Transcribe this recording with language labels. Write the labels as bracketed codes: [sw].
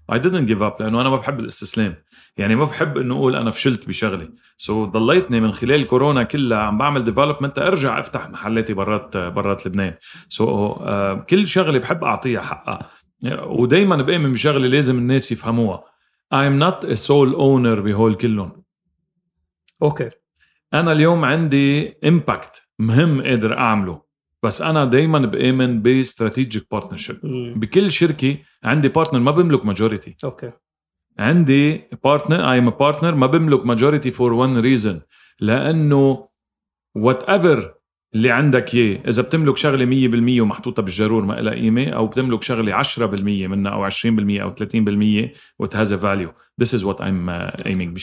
[en] I didn't give up [ar] لأنه أنا ما بحب الاستسلام. يعني ما بحب إنه أقول أنا فشلت بشغلي. سو ضليتني من خلال كورونا كلها عم بعمل ديفلوبمنت أرجع أفتح محلاتي برات لبنان. سو كل شغلة بحب أعطيها حقها، ودايما بأمن بشغلة لازم الناس يفهموها. [en] I'm not a sole owner [ar] بهول كلهم. أوكي. أنا اليوم عندي إمباكت مهم قادر أعمله، بس أنا دايما بأمن بستراتيجيك بارتنرشيب. بكل شركة عندي بارتنر ما بملك ماجوريتي. أوكي. عندي بارتنر، [en] I am a partner, [ar] ما بملك ماجوريتي [en] for one reason, [ar] لانه [en] whatever [ar] اللي عندك اياه، اذا بتملك شغله 100% ومحطوطه بالجرور ما لها قيمه، او بتملك شغله 10% منها او 20% او 30% [en] What has a value, this is what I am aiming.